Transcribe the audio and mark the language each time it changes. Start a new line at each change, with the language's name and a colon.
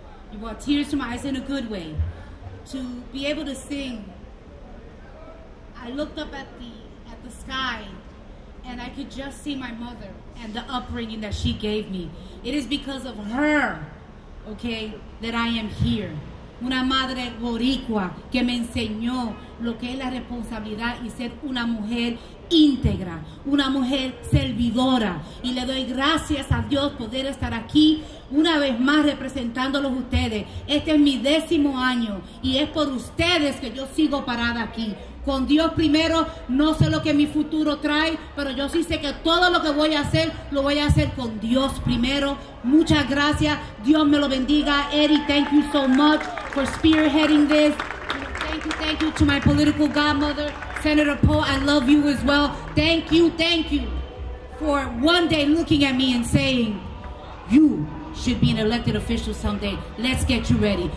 English: You brought tears to my eyes in a good way. To be able to sing, I looked up at the sky, and I could just see my mother and the upbringing that she gave me. It is because of her, okay, that I am here.
Spanish: una madre boricua que me enseñó lo que es la responsabilidad y ser una mujer íntegra, una mujer servidora. Y le doy gracias a Dios poder estar aquí una vez más representándolos ustedes. Este es mi 10º año y es por ustedes que yo sigo parada aquí. Con Dios primero, no sé lo que mi futuro trae, pero yo sí sé que todo lo que voy a hacer, lo voy a hacer con Dios primero. Muchas gracias. Dios me lo bendiga.
English: Eddie, thank you so much for spearheading this. Thank you to my political godmother, Senator Poe. I love you as well. Thank you for one day looking at me and saying, you should be an elected official someday. Let's get you ready.